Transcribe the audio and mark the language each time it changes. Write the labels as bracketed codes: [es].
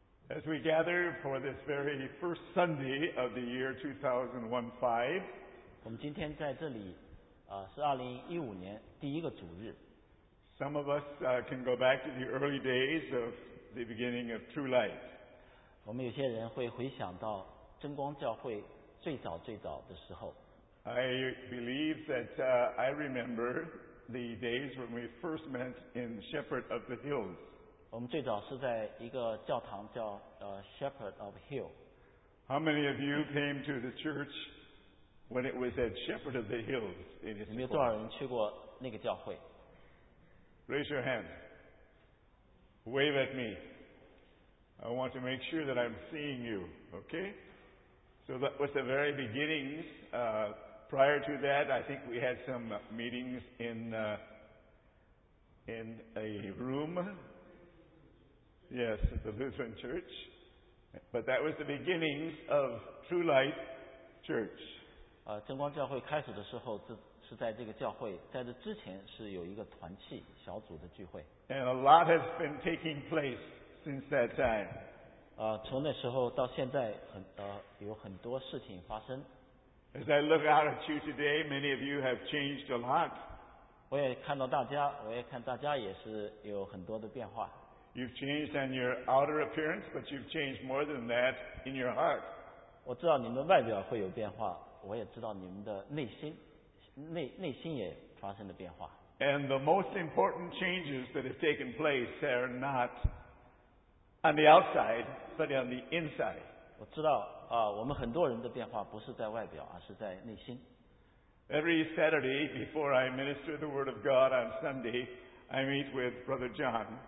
[en] As we gather for this very first Sunday of the year 2015, [zh] 我们今天在这里，是2015年第一个主日。 [en] Some of us can go back to the early days of the beginning of True Light. [zh] 我们有些人会回想到真光教会最早最早的时候。 [en] I believe that I remember the days when we first met in Shepherd of the Hills. [zh] 我们最早是在一个教堂叫Shepherd of Hill. [en] How many of you came to the church when it was at Shepherd of the Hills in Issaquah? [zh] 你们有多少人去过那个教会？ [en] Raise your hand. Wave at me. I want to make sure that I'm seeing you. Okay? So that was the very beginnings. Prior to that, I think we had some meetings in a room. Yes, at the Lutheran Church. But that was the beginnings of True Light Church. [zh] 真光教会开始的时候，是在这个教会，在这之前是有一个团契小组的聚会。 [en] And a lot has been taking place since that time. [zh] 从那时候到现在，有很多事情发生。 [en] As I look out at you today, many of you have changed a lot. [zh] 我也看到大家，我也看大家也是有很多的变化。 [en] You've changed in your outer appearance, but you've changed more than that in your heart. [zh] 我知道你们外表会有变化，我也知道你们的内心也发生了变化。 [en] And the most important changes that have taken place are not on the outside, but on the inside. [zh] 我知道我们很多人的变化不是在外表，而是在内心。 [en] Every Saturday before I minister the Word of God on Sunday, I meet with Brother John.